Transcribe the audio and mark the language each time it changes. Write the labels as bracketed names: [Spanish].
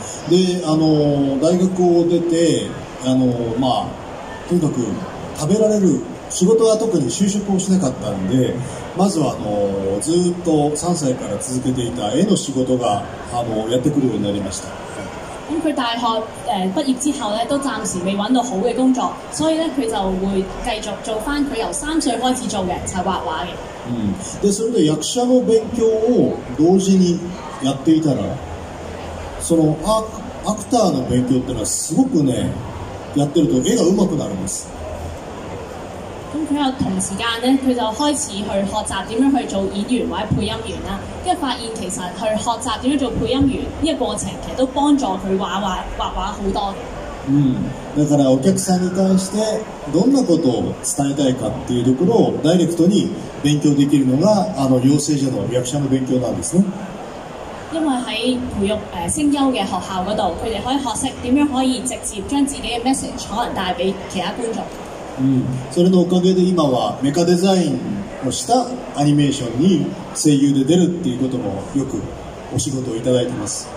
[Japanese] で、大学を出て、まあとにかく食べられる仕事は特に就職をしなかったんで、まずはずっと3歳から続けていた絵の仕事がやってくるようになりました。 [Cantonese] 咁佢大学毕业之后咧，都暂时未揾到好嘅工作，所以咧佢就会继续做翻佢由三岁开始做嘅，就画画嘅。 [Japanese] でそれで役者の勉強を同時にやっていたら、そのアクターの勉強っていうのはすごくね、やってると絵が上手くなるんです。 [Cantonese] 咁佢又同時間咧，佢就開始去學習點樣去做演員或者配音員啦。跟住發現其實去學習點樣做配音員呢個過程，其實都幫助佢畫畫好多。 [Japanese] だからお客さんに対してどんなことを伝えたいかっていうところをダイレクトに勉強できるのが養成所の役者の勉強なんですね。 [Cantonese] 因為喺培育聲優嘅學校嗰度，佢哋可以學識點樣可以直接將自己嘅 message 可能帶俾其他觀眾。 [Japanese] それのおかげで今はメカデザインをしたアニメーションに声優で出るっていうこともよくお仕事をいただいてます。